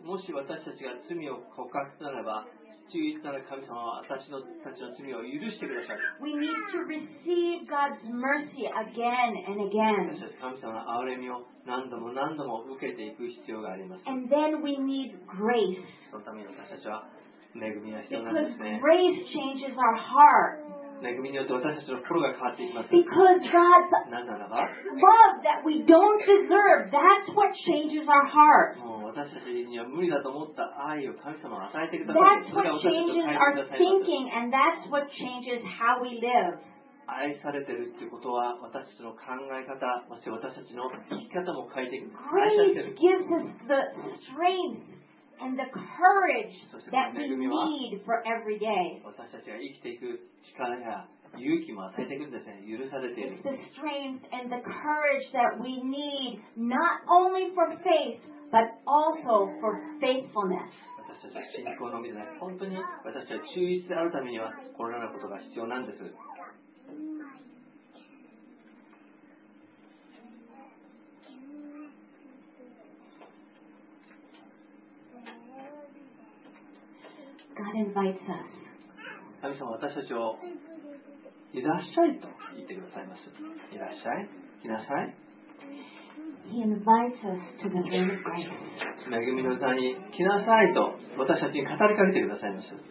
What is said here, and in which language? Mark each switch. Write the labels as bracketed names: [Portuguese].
[Japanese] もし私たちが罪を告白ならば、 [English] We need to receive God's mercy again and again. [Japanese] 私たち神様の憐れみを何度も何度も受けていく必要があります。 [English] And then we need grace. [Japanese] そのために私たちは恵みが必要なんですね。 [English] Because grace changes our heart. [Japanese] 恵みによって私たちの心が変わっていきます。 [English] Because God's love that we don't deserve, that's what changes our heart. [Japanese] 私たちには無理だと思った愛を神様が与えてくださって、それが私たちの変えてください。 [English] And that's what changes how we live. [Japanese] 愛されてるってことは、私たちの考え方、そして私たちの生き方も変えていく。 [English] Grace gives us the strength and the courage that we need for every day. [Japanese] 私たちが生きていく力や勇気も与えていくんですね。許されている。 [English] It's the strength and the courage that we need not only for faith. But also for faithfulness. [Japanese] 私たちは信仰のみでなく、本当に私たちは忠実であるためには、これらのことが必要なんです。 [English] God invites us. [Japanese] 神様は私たちをいらっしゃいと言ってくださいます。いらっしゃい、来なさい。 [English] He invites us to the throne of grace. [Japanese] 恵みの座に来なさいと私たちに語りかけてくださいます。